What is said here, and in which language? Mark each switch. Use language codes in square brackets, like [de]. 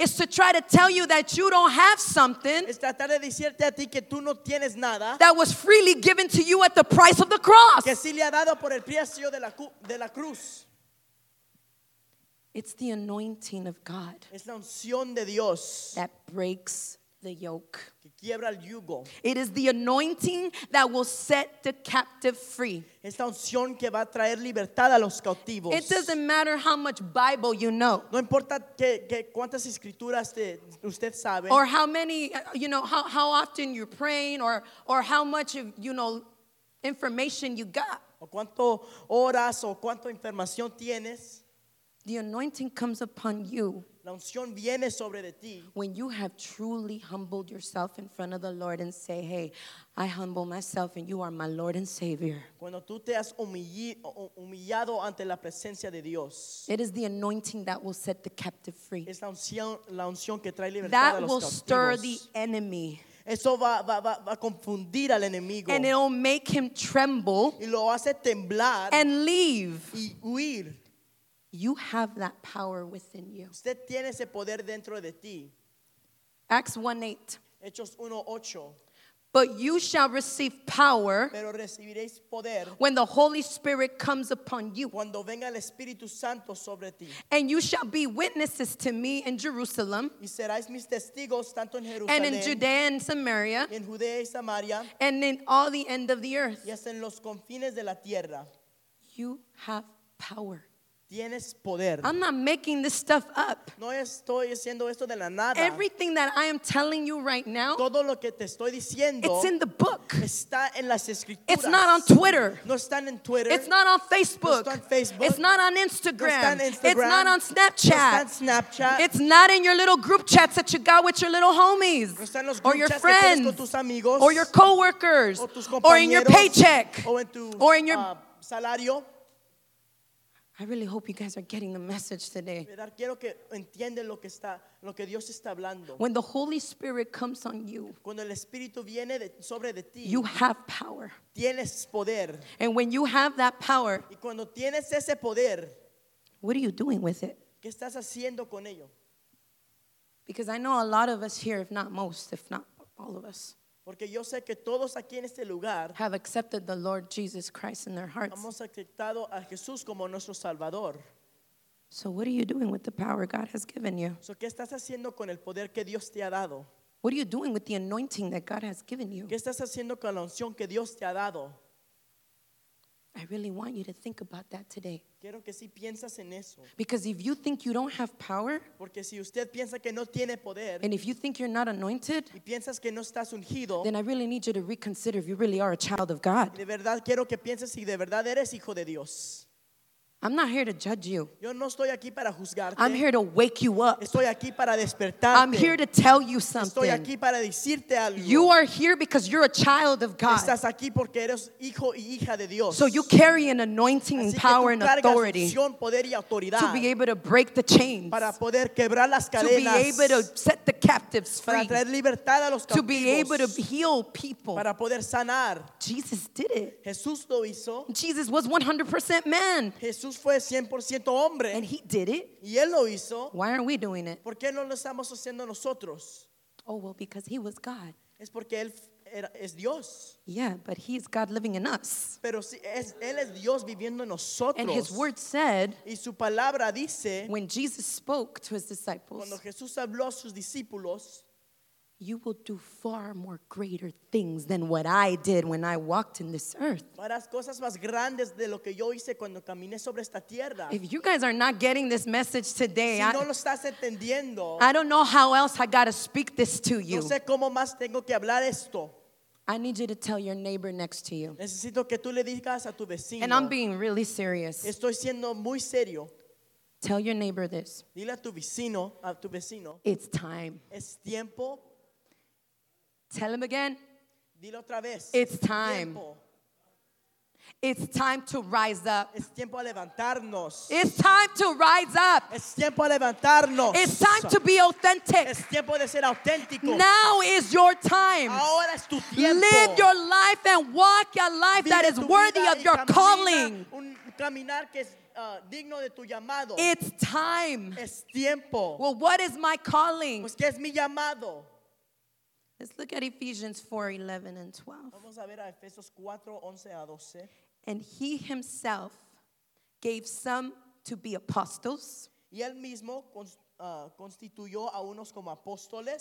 [en] is to try to tell you that you don't have something [es] es tratar de decirte a ti que tú no tienes nada. [en] That was freely given to you at the price of the cross. [es] Que sí le ha dado por el precio de la cruz. [en] It's the anointing of God. [es] Es la unción de Dios. [en] That breaks the yoke. [es] Que quiebra el yugo. [en] It is the anointing that will set the captive free. [es] Es la unción que va a traer libertad a los cautivos. [en] It doesn't matter how much Bible you know. [es] No importa que cuántas escrituras usted sabe. [en] Or how many, you know, how often you're praying or how much, you know, information you got. [es] O cuánto oras o cuánta información tienes. [en] The anointing comes upon you. [es] La unción viene sobre de ti. [en] When you have truly humbled yourself in front of the Lord and say, hey, I humble myself and you are my Lord and Savior. [es] Cuando tú te has humillado ante la presencia de Dios. [en] It is the anointing that will set the captive free. [es] Es la unción que trae libertad [en] that [es] a los cautivos. [en] Will stir the enemy. [es] Eso va a confundir al enemigo. [en] And it will make him tremble. [es] Y lo hace temblar. [en] And leave. [es] Y huir. [en] You have that power within you. [es] Usted tiene ese poder dentro de ti. [en] Acts 1:8. [es] Hechos 1:8. [en] But you shall receive power. [es] Pero recibiréis poder. [en] When the Holy Spirit comes upon you. [es] Cuando venga el Espíritu Santo sobre ti. [en] And you shall be witnesses to me in Jerusalem. [es] Y seráis mis testigos tanto en Jerusalén. [en] And in Judea and Samaria. [es] Y en Judea y Samaria. [en] And in all the end of the earth. [es] Y hasta en los confines de la tierra. [en] You have power. [es] Tienes poder. [en] I'm not making this stuff up. [es] No estoy haciendo esto de la nada. [en] Everything that I am telling you right now, [es] todo lo que te estoy diciendo, [en] it's in the book. [es] Está en las escrituras. [en] It's not on Twitter. [es] No está en Twitter. [en] It's not on Facebook. [es] No está en Facebook. [en] It's not on Instagram. [es] No está en Instagram. [en] It's not on Snapchat. [es] No está en Snapchat. [en] It's not in your little group chats that you got with your little homies [es] no está en los [en] or your friends [es] con tus amigos, [en] or your coworkers [es] o tus compañeros, [en] or in your paycheck [es] o en tu, [en] or in your [es] salario. [en] I really hope you guys are getting the message today. [es] Quiero que entiendan lo que está, lo que Dios está hablando. [en] When the Holy Spirit comes on you, [es] cuando el Espíritu viene de, sobre de ti, [en] you have power. [es] Tienes poder. [en] And when you have that power, [es] y cuando tienes ese poder, [en] what are you doing with it? [es] ¿Qué estás haciendo con ello? [en] Because I know a lot of us here, if not most, if not all of us, [es] porque yo sé que todos aquí en este lugar [en] have accepted the Lord Jesus Christ in their hearts. [es] Hemos aceptado a Jesús como nuestro Salvador. [en] So what are you doing with the power God has given you? [es] So ¿qué estás haciendo con el poder que Dios te ha dado? [en] What are you doing with the anointing that God has given you? [es] ¿Qué estás haciendo con la unción que Dios te ha dado? [en] I really want you to think about that today. [es] Quiero que sí piensas en eso. [en] Because if you think you don't have power, [es] porque si usted piensa que no tiene poder, [en] and if you think you're not anointed, [es] y piensas que no estás ungido, [en] then I really need you to reconsider if you really are a child of God. [es] De verdad quiero que pienses si de verdad eres hijo de Dios. [en] I'm not here to judge you. [es] Yo no estoy aquí para juzgarte. [en] I'm here to wake you up. [es] Estoy aquí para despertarte. [en] I'm here to tell you something. [es] Estoy aquí para decirte algo. [en] You are here because you're a child of God. [es] Estás aquí porque eres hijo y hija de Dios. [en] So you carry an anointing and power and authority. [es] Unción, poder y autoridad [en] to be able to break the chains. [es] Para poder quebrar las cadenas. [en] To be able to set the captives free. [es] Para traer libertad a los cautivos. [en] To be able to heal people. [es] Para poder sanar. [en] Jesus did it. [es] Jesús lo hizo. [en] Jesus was 100% man. [es] Jesús fue 100% hombre. [en] And he did it. [es] Y él lo hizo. [en] Why aren't we doing it? [es] ¿Por qué no lo estamos haciendo nosotros? [en] Oh, well, because he was God. [es] Es porque él es Dios. [en] Yeah, but he is God living in us. [es] Pero si es, él es Dios viviendo en nosotros. [en] And his word said, [es] y su palabra dice, [en] when Jesus spoke to his disciples, [es] cuando Jesús habló a sus discípulos, [en] you will do far more greater things than what I did when I walked in this earth. If you guys are not getting this message today, [es] si no lo estás entendiendo, [en] I don't know how else I gotta speak this to you. [es] No sé cómo más tengo que hablar esto. [en] I need you to tell your neighbor next to you. [es] Necesito que tú le digas a tu vecino, [en] and I'm being really serious. [es] Estoy siendo muy serio. [en] Tell your neighbor this. [es] Dile a tu vecino, [en] it's time. [es] Es tiempo. [en] Tell him again. [es] Dilo otra vez. [en] It's time. It's time to rise up. [es] Es tiempo a levantarnos. [en] It's time to rise up. [es] Es tiempo a levantarnos. [en] It's time to be authentic. [es] Es tiempo de ser auténtico. [en] Now is your time. [es] Ahora es tu tiempo. [en] Live your life and walk a life [es] vive [en] that is worthy of your calling. [es] Un caminar que es digno de tu llamado. [en] It's time. [es] Es tiempo. [en] Well, what is my calling? [es] Pues qué es mi llamado. [en] Let's look at Ephesians 4:11 and 12. [es] Vamos a ver a Efesios 4, 11 a 12. [en] And he himself gave some to be apostles. [es] Y él mismo constituyó a unos como apóstoles.